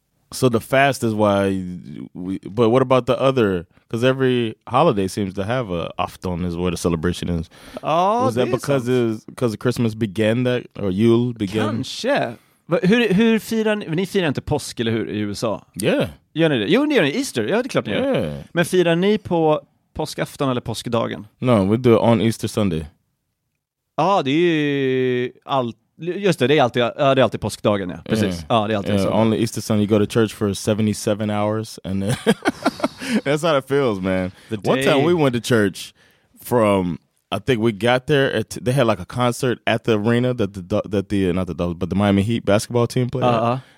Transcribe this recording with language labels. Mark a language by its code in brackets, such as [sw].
[en] So the fast is why we, but what about the other? Because every holiday seems to have a afton is where the celebration is. Oh, was that because it was, because Christmas began that, or Yule began? [sv] Kanske. Hur firar ni? Ni firar inte påsk, eller hur, i USA? [en] Yeah. [sv] Gör ni det? Jo, ni gör det. Easter. Ja, det är klart ni gör. Men firar ni på påskafton eller påskdagen? [en] No, we do it on Easter Sunday. [sv] Ja, det är ju allt. Just det, det är alltid påskdagen, ja. Precis. Yeah. Ja, det är alltid så. [en] Only Easter Sunday you go to church for 77 hours and then that's how it feels, man. One time we went to church from, I think we got there at, they had like a concert at the arena that the Miami Heat basketball team played.